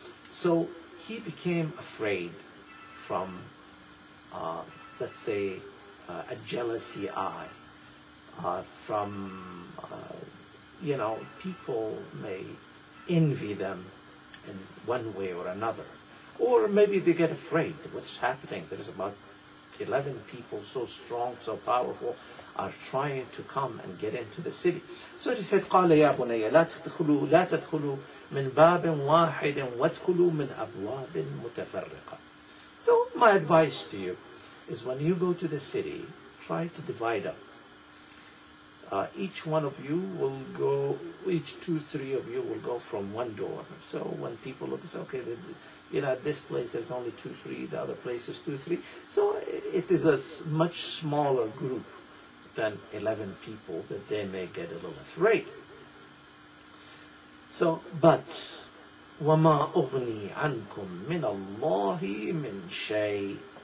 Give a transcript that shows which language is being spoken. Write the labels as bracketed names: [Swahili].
[English] So he became afraid from, let's say, a jealousy eye, from, you know, people may envy them in one way or another. Or maybe they get afraid, what's happening? There's about 11 people so strong, so powerful, are trying to come and get into the city. So he said, [Arabic] قَالَ يَا بُنَيَّ لَا تَدْخُلُوا مِنْ بَابٍ وَاحِدٍ وَادْخُلُوا مِنْ أَبْوَابٍ مُتَفَرِّقَةٍ. [English] So my advice to you is when you go to the city, try to divide up. Each one of you will go, each two, three of you will go from one door. So when people look and say, okay, you know, at this place there's only two, three, the other place is two, three. So it is a much smaller group than 11 people, that they may get a little afraid. So, but [Arabic] وَمَا أُغْنِي عَنْكُمْ مِنَ اللَّهِ مِنْ شَيْءٍ.